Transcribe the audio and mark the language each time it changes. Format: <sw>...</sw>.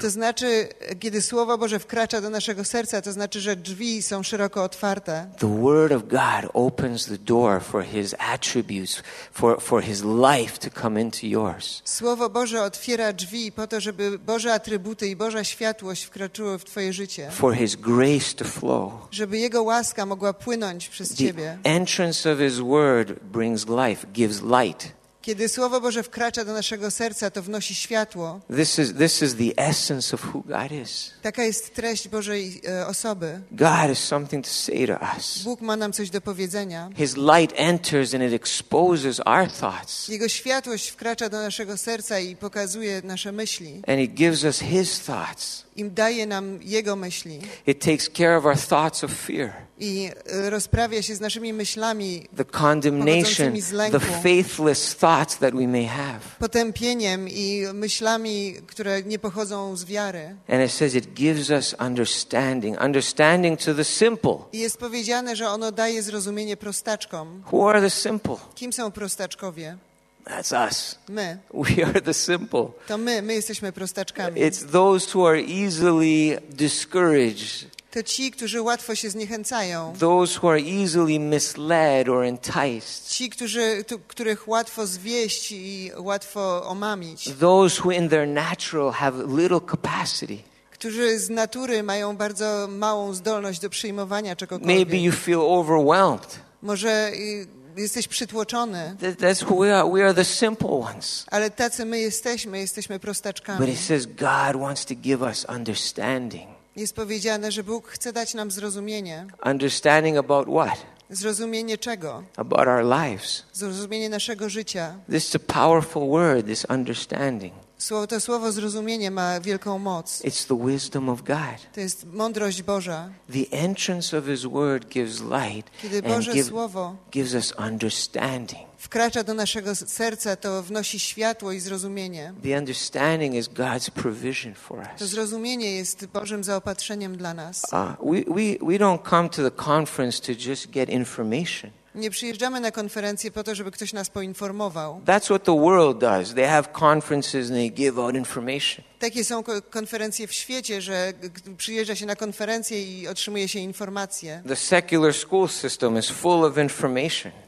<pl>To znaczy, kiedy Słowo Boże wkracza do naszego serca, to znaczy, że drzwi są szeroko otwarte.</pl> <en>The word of God opens the door for his attributes, for his life to come into yours.</en> <pl>Słowo Boże otwiera drzwi po to, żeby Boże atrybuty i Boża światłość wkroczyły w twoje życie.</pl> <en>For his grace to flow.</en> <pl>Żeby jego łaska mogła płynąć przez ciebie.</pl> <en>The entrance of his word brings life, gives light.</en> <pl>Kiedy Słowo Boże wkracza do naszego serca, to wnosi światło.</pl> <en>This is the essence of who God is.</en> <pl>Taka jest treść Bożej osoby.</pl> <en>God has something to say to us.</en> <pl>Bóg ma nam coś do powiedzenia.</pl> <en>His light enters and it exposes our thoughts.</en> <pl>Jego światłość wkracza do naszego serca i pokazuje nasze myśli.</pl> <en>And it gives us his thoughts.</en> <pl>I daje nam jego myśli.</pl> <en>It takes care of our thoughts of fear.</en> <pl>I rozprawia się z naszymi myślami,</pl> <en>the condemnation,</en> <pl>pochodzącymi z lęku,</pl> <en>the faithless thoughts that we may have.</en> <pl>Potępieniem i myślami, które nie pochodzą z wiary.</pl> <en>And it says it gives us understanding to the simple.</en> <pl>I jest powiedziane, że ono daje zrozumienie prostaczkom.</pl> <en>Who are the simple?</en> <pl>Kim są prostaczkowie?</pl> <en>That's us.</en> <pl>My.</pl> <en>We are the simple.</en> <pl>To my jesteśmy prostaczkami.</pl> <en>It's those who are easily discouraged.</en> <pl>To ci, którzy łatwo się zniechęcają.</pl> <en>Those who are easily misled or enticed.</en> <pl>Ci, których łatwo zwieść i łatwo omamić.</pl> <en>Those who in their natural have little capacity.</en> <pl>Którzy z natury mają bardzo małą zdolność do przyjmowania czegokolwiek.</pl> <en>Maybe you feel overwhelmed.</en> <pl>Może jesteś przytłoczony.</pl> <en>That's who we are. We are the simple ones.</en> <pl>Ale tacy my jesteśmy. Jesteśmy prostaczkami.</pl> <en>But it says God wants to give us understanding.</en> <pl>Jest powiedziane, że Bóg chce dać nam zrozumienie.</pl> <en>Understanding about what?</en> <pl>Zrozumienie czego?</pl> <en>About our lives.</en> <pl>Zrozumienie naszego życia.</pl> <en>This is a powerful word, this understanding.</en> <pl>To słowo zrozumienie ma wielką moc.</pl> <en>It's the wisdom of God.</en> <pl>To jest mądrość Boża.</pl> <en>The entrance of his word gives light.</en> <pl>Kiedy Boże słowo</pl> <en>gives us understanding.</en> <pl>Wkracza do naszego serca, to wnosi światło i zrozumienie.</pl> <en>The understanding is God's provision for us.</en> <pl>To zrozumienie jest Bożym zaopatrzeniem dla nas.</pl> <en>We don't come to the conference to just get information.</en> <pl>Nie przyjeżdżamy na konferencję po to, żeby ktoś nas poinformował.</pl> <en>That's what the world does. They have conferences and they give out information.</en> <pl>Takie są konferencje w świecie, że przyjeżdża się na konferencję i otrzymuje się informacje.</pl> <en>The secular school system is full of information.</en>